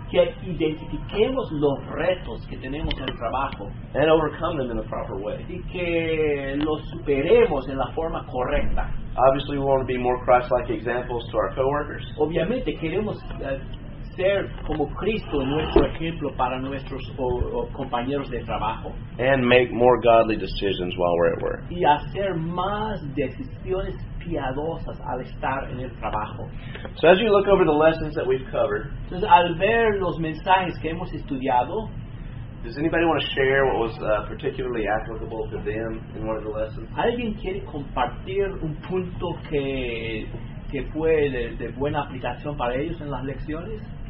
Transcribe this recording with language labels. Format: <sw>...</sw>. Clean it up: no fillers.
<es>Que identifiquemos los retos que tenemos en el trabajo.</es> <en>And overcome them in the proper way.</en> <es>Y que los superemos en la forma correcta.</es> <en>Obviously, we want to be more Christ-like examples to our coworkers.</en> <es>Obviamente, queremos ser como Cristo en nuestro ejemplo para nuestros compañeros de trabajo.</es> <en>And make more godly decisions while we're at work.</en> <es>Y hacer más decisiones piadosas al estar en el trabajo.</es> <en>So as you look over the lessons that we've covered,</en> <es>entonces, al ver los mensajes que hemos estudiado,</es> <en>does anybody want to share what was particularly applicable to them in one of the lessons?</en> <es>¿Alguien quiere compartir un punto que fue de buena aplicación para ellos en las lecciones?</es>